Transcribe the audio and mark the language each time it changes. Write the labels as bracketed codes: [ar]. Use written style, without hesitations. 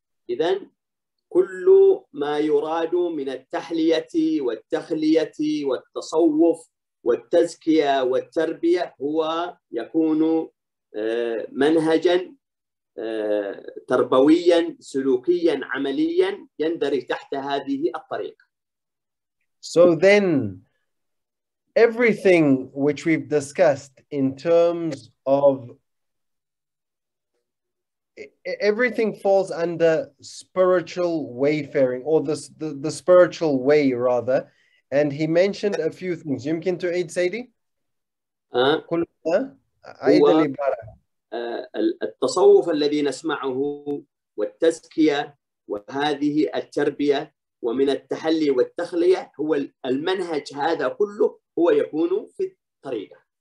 [ar] إذن كل ما يراد من التحلية والتخلية والتصوف والتزكية والتربية هو يكون منهجا تربويا سلوكيا عمليا يندرج تحت هذه الطريقة. [en] So then everything which we've discussed in terms of everything falls under spiritual wayfaring, or the spiritual way rather, And he mentioned a few things. [ar] يمكن تعيد سيدي؟ كل عيد العبارة. التصوف الذي نسمعه والتزكية وهذه التربية ومن التحلي والتخلية هو المنهج هذا كله هو يكون في الطريقة.